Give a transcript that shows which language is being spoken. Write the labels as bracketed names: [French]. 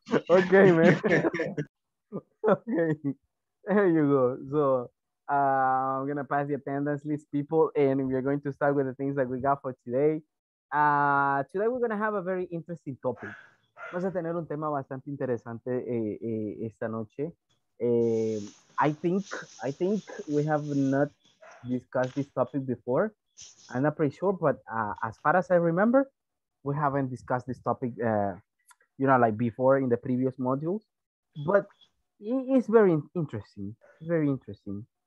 [English] Okay, man. Okay. There you go. So, I'm going to pass the attendance list, people, and we're going to start with the things that we got for today. Today, we're going to have a very interesting topic. [Spanish] Vamos a tener un tema bastante interesante esta noche. [English] I think we have not discussed this topic before. I'm not pretty sure, but as far as I remember, we haven't discussed this topic, before in the previous modules. But it's very interesting. Very interesting.